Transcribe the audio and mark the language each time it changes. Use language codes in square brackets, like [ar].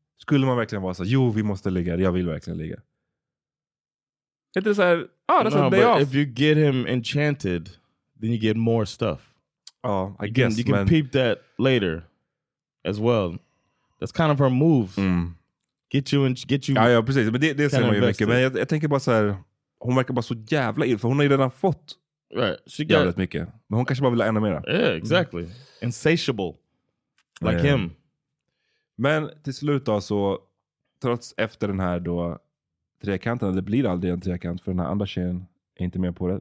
[sv] Skulle man verkligen vara så, jo, vi måste ligga, jag vill verkligen ligga. Inte så här, [en] that's a day off. If you get him enchanted, then you get more stuff. Oh, I guess, you can peep that later. As well, that's kind of her move. Get you. [sv] Ja, ja, precis. Men det ser man ju mycket. Men jag tänker bara så här, hon verkar bara så jävla ill, för hon har ju redan fått jävligt mycket. Men hon kanske bara vill ha ännu mer. [en] Yeah, exactly. Insatiable. Like him. [sv] Men till slut då, så trots efter den här då trekanten, det blir aldrig en trekant för den här andra tjejen är inte med på det.